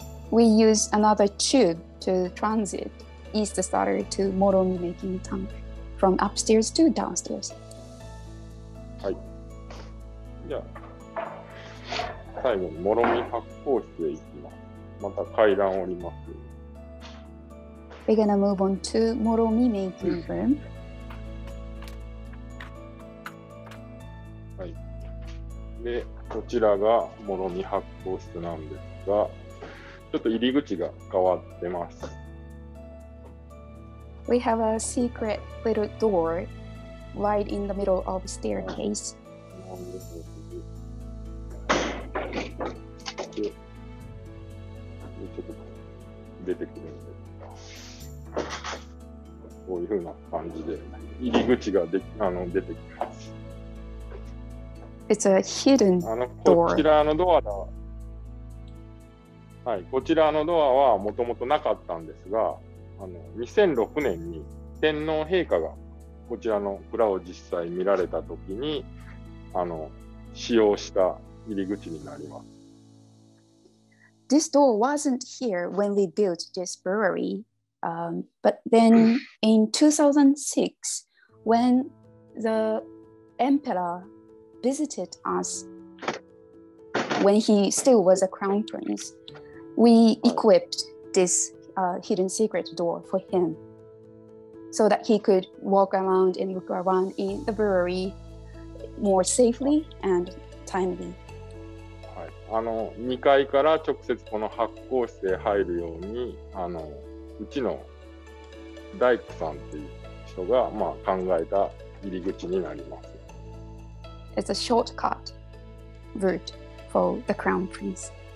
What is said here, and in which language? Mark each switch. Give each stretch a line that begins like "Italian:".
English: We use another tube to transit yeast starter to moromi making tank from upstairs to downstairs.
Japanese: はい。じゃあ最後にもろみ発酵室へ行きます。また階段を降ります。
English: We're gonna move on to moromi making room.
Japanese: はい。で、こちらがもろみ発酵室なんですが。ちょっと入り口が変わってます。
English: We have a secret little door right in the middle of staircase.
Japanese: ちょっと出てくるんで、こういう風な感じで入り口が出てきます。
English: It's a hidden door.
Japanese: こちらのドアだ。はい、こちらのドアはもともとなかったんですが、2006年に天皇陛下がこちらの蔵を実際見られたときに使用した入り口になります。
English: This door wasn't here when we built this brewery, but then in 2006, when the emperor visited us, when he still was a crown prince,We equipped this hidden secret door for him so that he could walk around and look around in the brewery more safely and timely.
Japanese: はい、2階から直接この発酵室へ入るようにうちの大工さんっていう人が考えた入り口になります。
English: is a shortcut route for the Crown Prince.